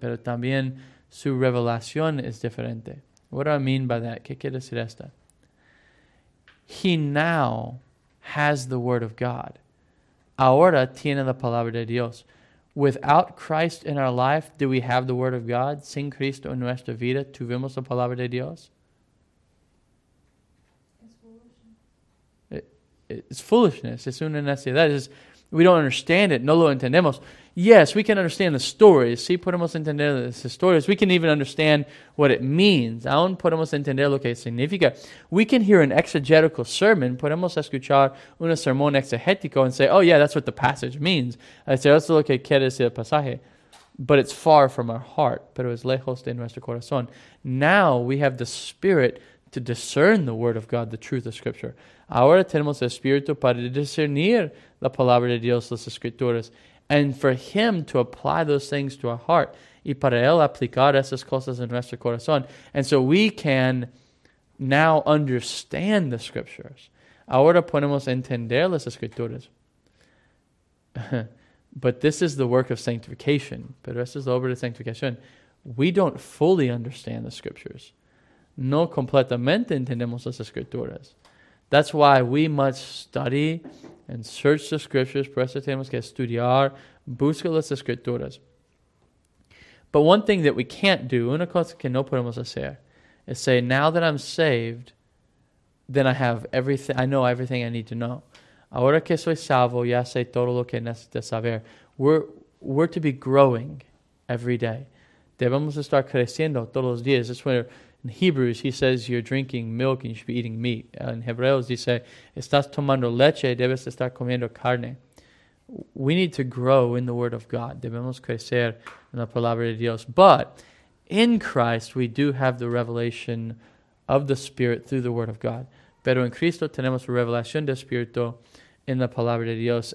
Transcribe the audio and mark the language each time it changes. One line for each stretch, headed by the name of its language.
Spanish: Pero también su revelación es diferente.
English: What do I mean by that?
Spanish: ¿Qué quiere decir esta?
English: He now has the word of God.
Spanish: Ahora tiene la palabra de Dios.
English: Without Christ in our life, do we have the word of God?
Spanish: Sin Cristo en nuestra vida, ¿tuvimos la palabra de Dios?
English: It's foolishness. It's
Spanish: una necesidad.
English: We don't understand it.
Spanish: No lo entendemos.
English: Yes, we can understand the stories.
Spanish: Sí, podemos entender las historias.
English: We can even understand what it means.
Spanish: Aún podemos entender lo que significa.
English: We can hear an exegetical sermon.
Spanish: Podemos escuchar un sermón exegético
English: and say, oh, yeah, that's what the passage means.
Spanish: Eso es lo que quiere decir el pasaje.
English: But it's far from our heart.
Spanish: Pero es lejos de nuestro corazón.
English: Now we have the Spirit to discern the Word of God, the truth of Scripture.
Spanish: Ahora tenemos el Espíritu para discernir la Palabra de Dios, las Escrituras,
English: and for Him to apply those things to our heart,
Spanish: y para Él aplicar esas cosas en nuestro corazón.
English: And so we can now understand the Scriptures.
Spanish: Ahora podemos entender las Escrituras.
English: But this is the work of sanctification.
Spanish: Pero esta es la obra de sanctificación.
English: We don't fully understand the Scriptures.
Spanish: No completamente entendemos las Escrituras.
English: That's why we must study and search the Scriptures.
Spanish: Por eso tenemos que estudiar, buscar las Escrituras.
English: But one thing that we can't do,
Spanish: una cosa que no podemos hacer,
English: is say, now that I'm saved, then I have everything, I know everything I need to know.
Spanish: Ahora que soy salvo, ya sé todo lo que necesito saber.
English: We're to be growing every day.
Spanish: Debemos estar creciendo todos los días.
English: That's where in Hebrews, he says you're drinking milk and you should be eating meat. In Hebreos, he says,
Spanish: estás tomando leche, debes estar comiendo carne.
English: We need to grow in the Word of God.
Spanish: Debemos crecer en la Palabra de Dios.
English: But in Christ, we do have the revelation of the Spirit through the Word of God.
Spanish: Pero en Cristo tenemos revelación del Espíritu en la Palabra de Dios.